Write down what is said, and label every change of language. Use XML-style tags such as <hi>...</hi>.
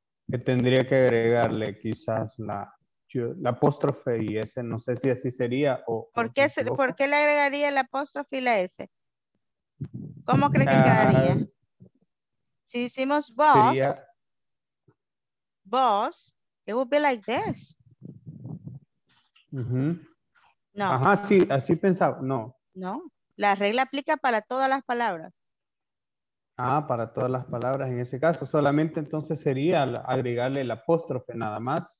<es>que tendría que agregarle quizás la apóstrofe y ese, no sé si así sería. O, ¿Por qué le agregaría la apóstrofe y la S? ¿Cómo cree que quedaría? Si hicimos boss,</es> <en>it would be like this.</en> <es>No. Ajá, sí, así pensaba, no. No, la regla aplica para todas las palabras. Ah, para todas las palabras en ese caso. Solamente entonces sería agregarle el apóstrofe nada más.</es>